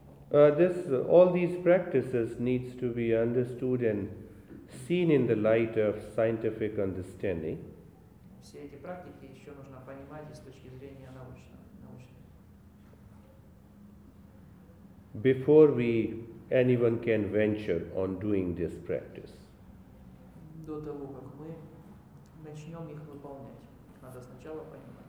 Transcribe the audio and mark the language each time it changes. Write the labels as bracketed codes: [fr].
[en] This, all these practices needs to be understood and seen in the light of scientific understanding. [ru] Все эти практики еще нужно понимать с точки зрения научного. [en] Before we anyone can venture on doing this practice. [ru] До того, как мы начнем их выполнять, надо сначала понимать.